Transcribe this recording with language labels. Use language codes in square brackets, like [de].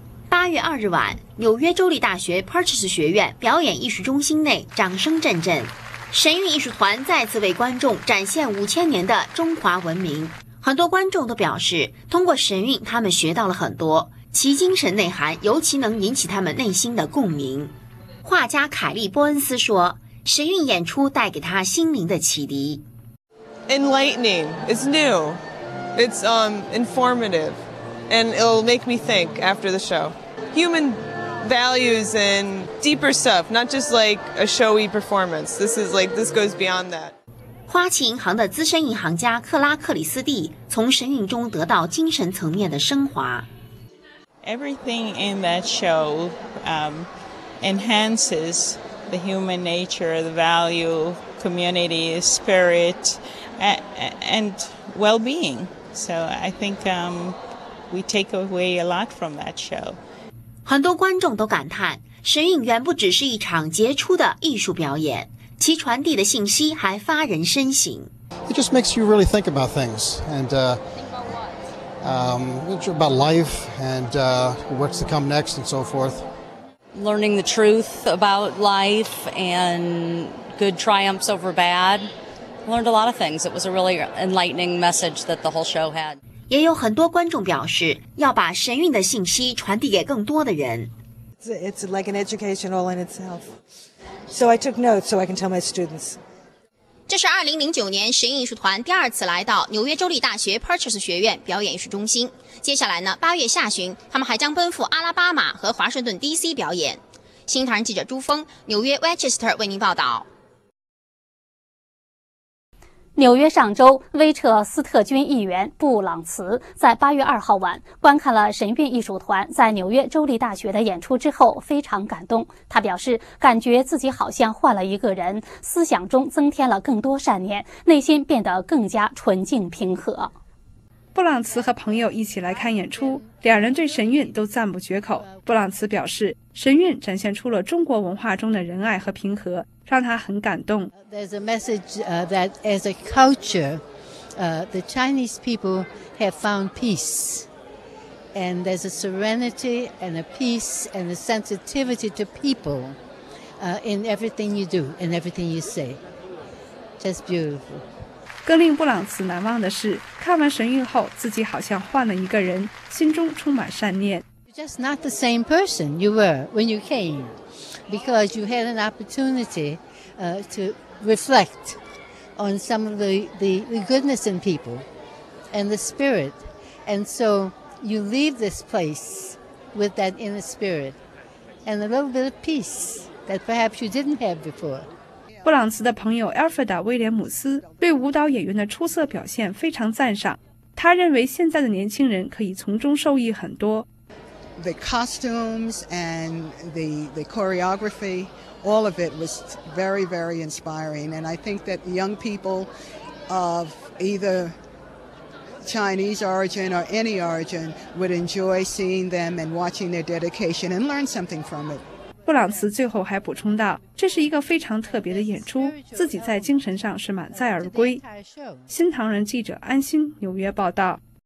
[zh] 8月2日晚，纽约州立大学 Purchase 学院表演艺术中心内掌声阵阵，神韵艺术团再次为观众展现5000年的中华文明。很多观众都表示，通过神韵他们学到了很多，其精神内涵尤其能引起他们内心的共鸣。画家凯利·波恩斯说，神韵演出带给他心灵的启迪。 [en] Enlightening, it's new, it's informative, and it'll make me think after the show. human values and deeper stuff, not just like a showy performance. This is like, this goes beyond that. [zh] 花旗银行的资深银行家克拉克里斯蒂从神韵中得到精神层面的升华。 [en] Everything in that show, enhances the human nature, the value, community, spirit, and well-being. So I think, we take away a lot from that show. [zh] 很多观众都感叹，神韵远不只是一场杰出的艺术表演，其传递的信息还发人深省。 [en] It just makes you really think about things and, about life and, what's to come next and so forth. Learning the truth about life and good triumphs over bad. Learned a lot of things. It was a really enlightening message that the whole show had. [zh] 也有很多观众表示要把神韵的信息传递给更多的人。 [en] It's like an education all in itself. So I took notes so I can tell my students. [zh] 这是2009年神韵艺术团第二次来到纽约州立大学 Purchase 学院表演艺术中心。接下来呢，8月下旬，他们还将奔赴阿拉巴马和华盛顿 DC 表演。新唐人记者朱峰，纽约 Westchester 为您报道。纽约上周，威彻斯特郡议员布朗茨在8月2号晚观看了神韵艺术团在纽约州立大学的演出之后非常感动。他表示，感觉自己好像换了一个人，思想中增添了更多善念，内心变得更加纯净平和。布朗茨和朋友一起来看演出，两人对神韵都赞不绝口。布朗茨表示，神韵展现出了中国文化中的仁爱和平和，让他很感动。 [en] There's a message, that as a culture, the Chinese people have found peace. And there's a serenity and a peace and a sensitivity to people, in everything you do, in everything you say. Just beautiful. [zh] 更令布朗茨难忘的是，看完神韵后，自己好像换了一个人，心中充满善念。 [en] You're just not the same person you were when you came, because you had an opportunity, to reflect on some of the goodness in people and the spirit. And so you leave this place with that inner spirit and a little bit of peace that perhaps you didn't have before. [zh] 布朗茨的朋友 Alfreda 威廉姆斯对舞蹈演员的出色表现非常赞赏，他认为现在的年轻人可以从中受益很多。 [en] The costumes and the choreography, all of it was very, very inspiring. And I think that young people of either Chinese origin or any origin would enjoy seeing them and watching their dedication and learn something from it. [zh] 布朗茨最后还补充道，这是一个非常特别的演出，自己在精神上是满载而归。新唐人记者安心纽约报道。